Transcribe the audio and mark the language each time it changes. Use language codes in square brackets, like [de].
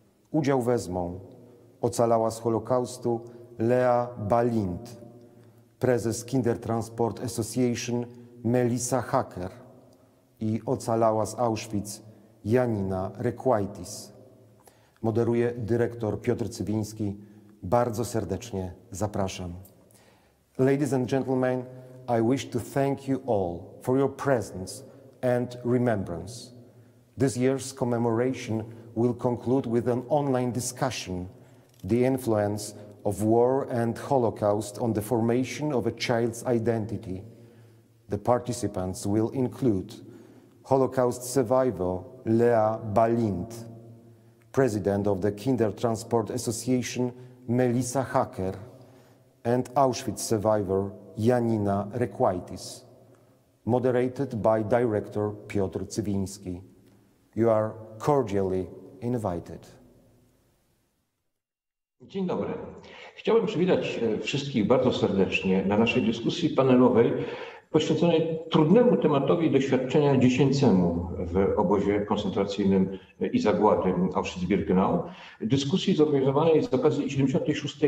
[pl] Udział wezmą ocalała z Holokaustu Lea Balint, prezes Kinder Transport Association Melissa Hacker i ocalała z Auschwitz Janina Requaitis. Moderuje dyrektor Piotr Cywiński. Bardzo serdecznie zapraszam. [en] Ladies and gentlemen, I wish to thank you all for your presence and remembrance. This year's commemoration will conclude with an online discussion, the influence of war and Holocaust on the formation of a child's identity. The participants will include Holocaust survivor Lea Balint, President of the Kinder Transport Association, Melissa Hacker, and Auschwitz survivor, Janina Requaitis, moderated by director Piotr Cywiński. You are cordially invited. [pl] Dzień dobry. Chciałbym przywitać wszystkich bardzo serdecznie na naszej dyskusji panelowej poświęconej trudnemu tematowi doświadczenia dziecięcemu w obozie koncentracyjnym i zagłady Auschwitz-Birkenau, dyskusji zorganizowanej z okazji 76.